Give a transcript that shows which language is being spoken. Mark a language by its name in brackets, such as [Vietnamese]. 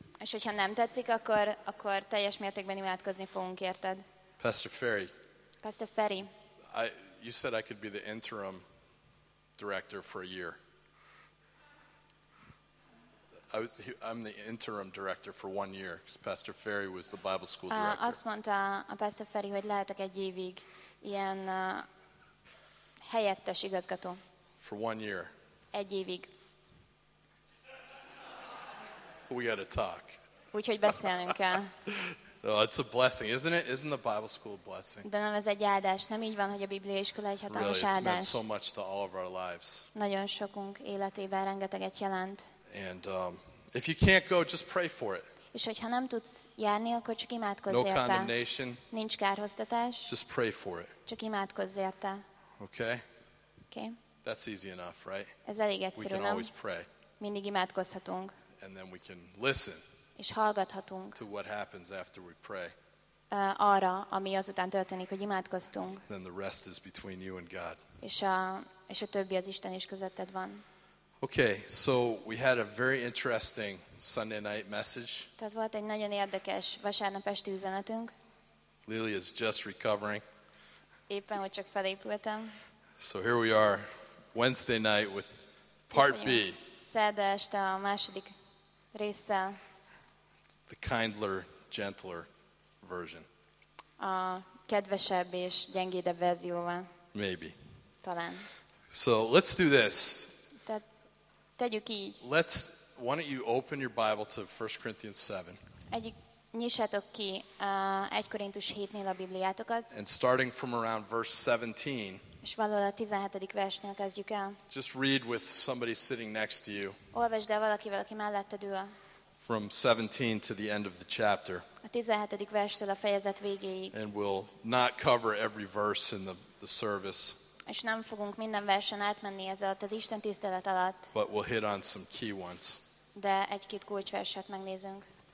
[Hungarian] És hogyha nem tetszik, akkor teljes mértékben imádkozni fogunk érted. [English] Pastor Ferry. Pastor Ferry. You said I could be the interim director for a year. I'm the interim director for one year because Pastor Ferry was the Bible school director. [Hungarian] Azt mondta a Pastor Ferry, hogy lehetek egy évig ilyen helyettes igazgató. [English] For one year. [Hungarian] Egy évig. [English] We got to talk. [Hungarian] Úgyhogy beszélnünk kell. [English] No, it's a blessing, isn't it? Isn't the Bible school a blessing? [Hungarian] De nem ez egy áldás. Nem így van, hogy a bibliaiskola egy hatalmas áldás. [English] Really, it's meant so much to all of our lives. [Hungarian] Nagyon sokunk életében rengeteget jelent. [English] And if you can't go, just pray for it. [Hungarian] És hogyha nem tudsz járni, akkor csak imádkozz érte. [English] No condemnation. [Hungarian] Nincs kárhoztatás. [English] Just pray for it. [Hungarian] Csak imádkozz érte. [English] Okay? Okay. That's easy enough, right? [Hungarian] Ez elég egyszerű, nem? [English] We can always pray. [Hungarian] Mindig imádkozhatunk. [English] And then we can listen. [Hungarian] És hallgathatunk [English] to what happens after we pray. [Hungarian] Arra, ami azután történik, hogy imádkoztunk. [English] Then the rest is between you and God. [Hungarian] És a többi az Isten és közötted van. [English] Okay, so we had a very interesting Sunday night message. [Hungarian] Tehát volt egy nagyon érdekes vasárnap esti üzenetünk. [English] Lily is just recovering. [Hungarian] Éppen, hogy csak felépültem. [English] So here we are, Wednesday night with Part B. [Hungarian] Szerda este a második résszel. [English] The kindler, gentler version. [Hungarian] A kedvesebb és gyengédebb verzióval. [English] Maybe. [Hungarian] Talán. [English] So let's do this. [Hungarian] Tehát tegyük így. [English] Let's, why don't you open your Bible to 1 Corinthians 7. [Hungarian] Egyik, nyissátok ki 1 Korintus 7-nél a Bibliátokat. [English] And starting from around verse 17. [Hungarian] És valahol a 17. versnél kezdjük el. [English] Just read with somebody sitting next to you. [Hungarian] Olvasd el valakivel, aki melletted ül. [English] From 17 to the end of the chapter. [Hungarian] A 17. verstől a fejezet végéig. [English] And we'll not cover every verse in the service. [Hungarian] És nem fogunk minden versen átmenni ez alatt, az Isten tisztelet alatt. [English] But we'll hit on some key ones. [Hungarian] De egy-két kulcsverset megnézünk.